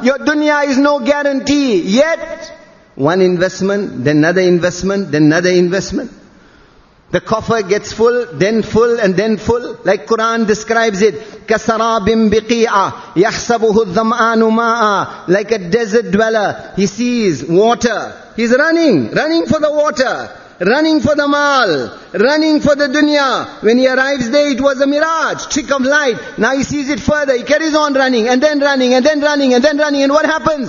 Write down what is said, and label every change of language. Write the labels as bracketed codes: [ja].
[en] Your dunya is no guarantee. Yet, one investment, then another investment, then another investment. The coffer gets full, then full, and then full. Like Quran describes it, [ar] كَسَرَابٍ بِقِيعَ يَحْسَبُهُ الظَّمْآنُ مَاءً. [en] Like a desert dweller, he sees water. He's running for the water, running for the maal, running for the dunya. When he arrives there, it was a mirage, trick of light. Now he sees it further, he carries on running, and then running, and then running, and then running, and what happens?